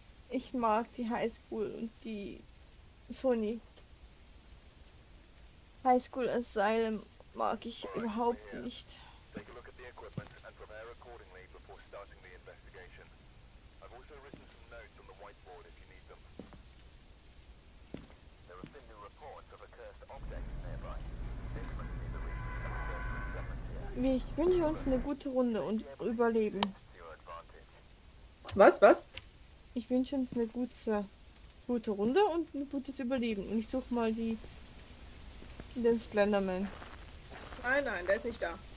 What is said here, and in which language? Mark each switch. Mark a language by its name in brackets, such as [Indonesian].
[German] Ich mag die Highschool und die Sony. Highschool Asylum mag ich überhaupt nicht. [English] Take a look at the equipment and prepare accordingly before starting the investigation. I've also written some notes on the whiteboard if you need them. There have been new reports of a cursed object nearby. This must be the reason. [German] Ich wünsche uns eine gute Runde und überleben. Was? Was? Ich wünsche uns eine gute Runde und ein gutes Überleben. Und ich suche mal die. Den Slenderman. Nein, nein, der ist nicht da.